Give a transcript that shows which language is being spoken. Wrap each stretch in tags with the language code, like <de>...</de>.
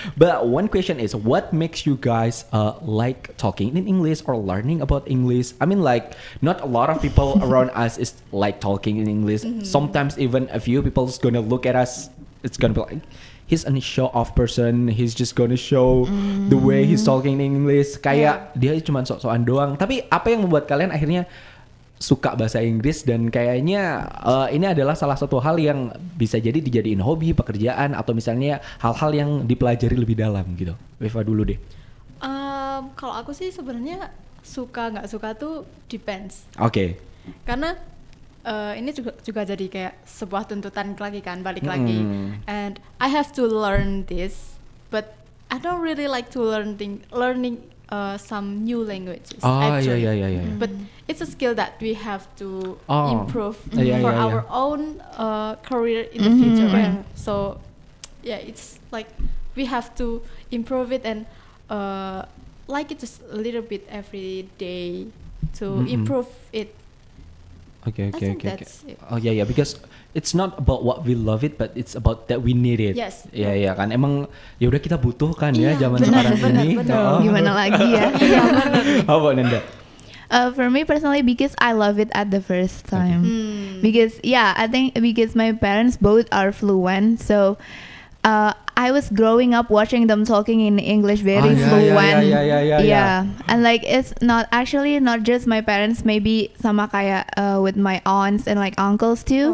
<en>But one question is, what makes you guys like talking in English or learning about English? I mean, like, not a lot of people around us is like talking in English. Sometimes even a few people is gonna look at us, it's gonna be like, he's a show off person, he's just gonna show the way he's talking in English.</en> <id>Kayak dia cuma sok-sokan doang. Tapi apa yang membuat kalian akhirnya suka bahasa Inggris dan kayaknya ini adalah salah satu hal yang bisa jadi dijadiin hobi, pekerjaan, atau misalnya hal-hal yang dipelajari lebih dalam gitu. Weva dulu deh. Kalau aku sih sebenarnya suka nggak suka tuh depends.</id> <en>Okay.</en> <id>Karena ini juga jadi kayak sebuah tuntutan lagi kan, balik lagi.</id> <en>And I have to learn this, but I don't really like to learning some new languages. But it's a skill that we have to improve for our own career in the future. Mm-hmm. Right? So yeah, it's like we have to improve it and like it just a little bit every day to improve it. Okay. Because it's not about what we love it, but it's about that we need it. Yes.</en> <id>Kan emang ya udah kita butuh kan ya zaman sekarang ini. Gimana lagi ya?</id> <en>How about Nanda? For me personally, because I love it at the first time. Okay. Because I think because my parents both are fluent, so I was growing up watching them talking in English very fluent. And like it's not actually not just my parents, maybe</en> <id>sama kayak</id> <en>with my aunts and like uncles too.</en>